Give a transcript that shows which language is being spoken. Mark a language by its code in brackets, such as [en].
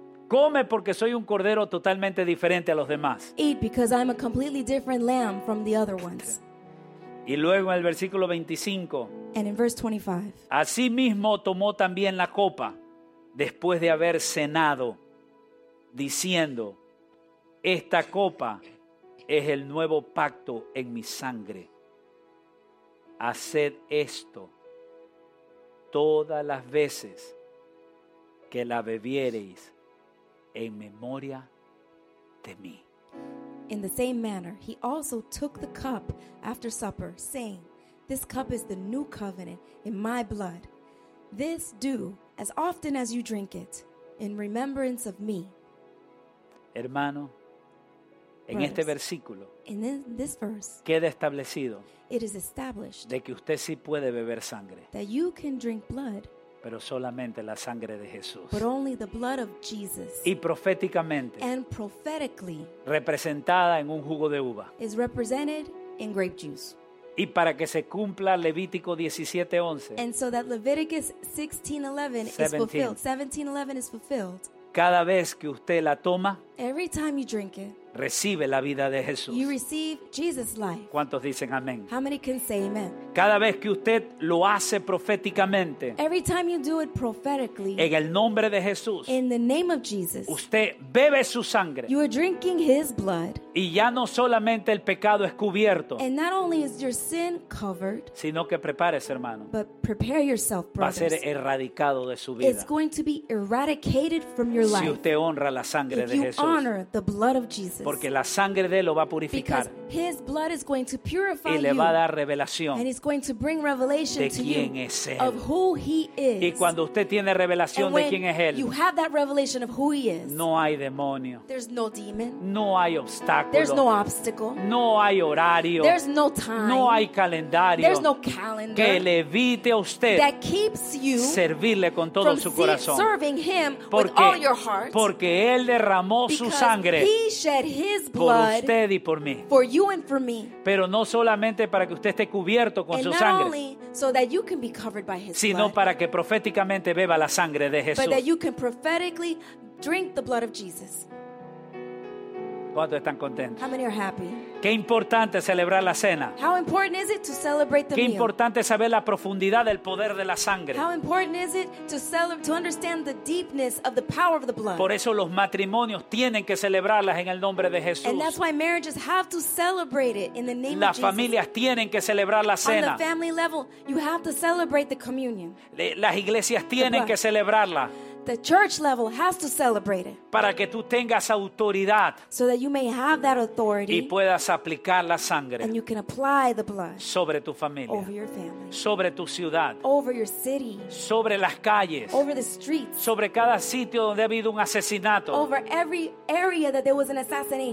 [es] Come porque soy un cordero totalmente diferente a los demás. [en] Eat because I'm a completely different lamb from the other ones. [es] Y luego en el versículo 25. [en] And in verse 25. [es] Asimismo tomó también la copa después de haber cenado diciendo, esta copa es el nuevo pacto en mi sangre. Haced esto todas las veces que la bebiereis. En memoria de mí. [en] In the same manner, he also took the cup after supper, saying, this cup is the new covenant in my blood. This do as often as you drink it, in remembrance of me. [es] Hermano, en [en] Brothers, [es] este versículo, [en] in this verse, [es] queda establecido, [en] it is established, [es] de que usted sí puede beber sangre, [en] that you can drink blood, [es] pero solamente la sangre de Jesús. [en] But only the blood of Jesus. [es] Y proféticamente. [en] And prophetically. [es] Representada en un jugo de uva. [en] Is represented in grape juice. [es] Y para que se cumpla Levítico 17:11. [en] And so that Leviticus 16:11 17. Is fulfilled. 17:11 is fulfilled. [es] Cada vez que usted la toma, [en] every time you drink it, [es] recibe la vida de Jesús. [en] You receive Jesus' life. [es] ¿Cuántos dicen amén? [en] How many can say amen? [es] Cada vez que usted lo hace proféticamente, [en] every time you do it prophetically, [es] en el nombre de Jesús, [en] in the name of Jesus, [es] usted bebe su sangre. [en] You are drinking his blood. [es] Y ya no solamente el pecado es cubierto, [en] and not only is your sin covered, [es] sino que prepárese, hermano, [en] but prepare yourself, brothers. [es] Va a ser erradicado de su vida. [en] It's going to be eradicated from your life. [es] Si usted honra la sangre de Jesús, [en] if you honor the blood of Jesus. [es] Porque la sangre de él lo va a purificar. [en] Because his blood is going to purify you. [es] Y le va a dar revelación. [en] And he's going to bring revelation to you. [es] De quién es él. [en] Of who he is. [es] Y cuando usted tiene revelación de quién es él. [en] You have that revelation of who he is. [es] No hay demonio. [en] There's no demon. [es] No hay obstáculo. [en] There's no obstacle. [es] No hay horario. [en] There's no time. [es] No hay calendario. [en] There's no calendar. [es] Que le evite a usted. [en] That keeps you. [es] Servirle con todo su corazón. [en] Serving him with all your heart. [es] Porque él derramó su sangre. [en] His blood [es] por usted y por mí. [en] For you and for me. [es] Pero no solamente para que usted esté cubierto con [en] and [es] su sangre, [en] not only so that you can be covered by his [es] sino [en] blood, [es] para que proféticamente beba la sangre de Jesús. [en] But that you can prophetically drink the blood of Jesus. [es] ¿Cuántos están contentos? [en] How many are happy? [es] Qué importante celebrar la cena. [en] How important is it to celebrate the [es] Qué [en] meal? [es] Importante saber la profundidad del poder de la sangre. [en] How important is it to understand the deepness of the power of the blood? [es] Por eso los matrimonios tienen que celebrarlas en el nombre de Jesús. [en] And that's why marriages have to celebrate it in the name [es] las [en] of Jesus. [es] Las familias tienen que celebrar la cena. [en] On the family level, you have to celebrate the communion. [es] Las iglesias tienen que celebrarla. [en] The church level has to celebrate it. [es] Para que tú tengas autoridad. [en] So that you may have that authority. [es] Y puedas aplicar la sangre. [en] And you can apply the blood. [es] Sobre tu familia. [en] Over your family. [es] Sobre tu ciudad. [en] Over your city. [es] Sobre las calles. [en] Over the streets. [es] Sobre cada sitio donde ha habido un asesinato. [en] Over every area that there was an assassination.